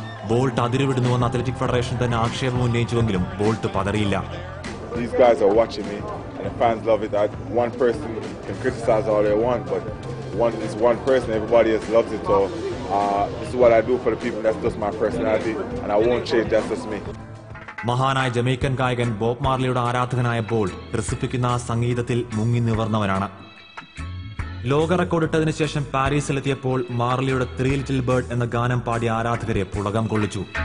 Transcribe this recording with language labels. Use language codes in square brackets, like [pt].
[ml] Bolt അതിരുവിടുന്നുവെന്ന് athletic federation തന്നെ ആക്ഷേപം ഉന്നയിച്ചുവെങ്കിലും bolt പതറിയില്ല. [en] These guys are watching me and the fans love it. That one person can criticize all they want, but one is one person, everybody else loves it. So this is what I do for the people. That's just my personality and I won't change. That's just me. [ml] മഹാനായ Jamaican ഗായകൻ Bob മാർലിയുടെ ആരാധകനായ bolt രസിപ്പിക്കുന്ന സംഗീതത്തിൽ മുങ്ങി നിവർന്നവനാണ്. ലോക റെക്കോർഡിട്ടതിനു ശേഷം പാരീസിലെത്തിയപ്പോൾ മാർലിയുടെ three little bird എന്ന ഗാനം പാടിയ ആരാധകരെ പുളകം കൊള്ളിച്ചു.